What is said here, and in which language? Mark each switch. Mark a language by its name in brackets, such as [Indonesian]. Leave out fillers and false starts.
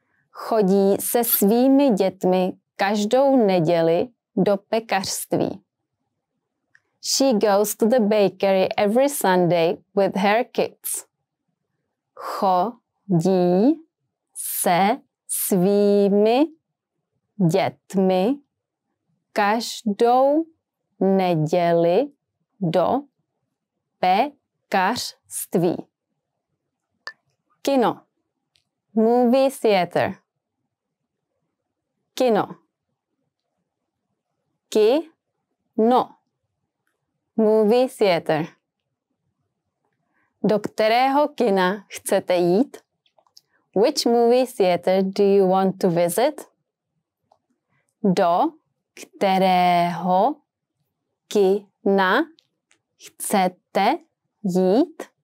[Czech] Chodí se svými dětmi každou neděli do pekařství. [English] She goes to the bakery every Sunday with her kids. [Czech] Chodí se svými dětmi každou neděli do pekařství. Kino. [English] Movie theater. [Czech] Kino. [English] Kino. Movie theater. [Czech] Do kterého kina chcete jít? [English] Which movie theater do you want to visit? [Czech] Do kterého kina chcete jít?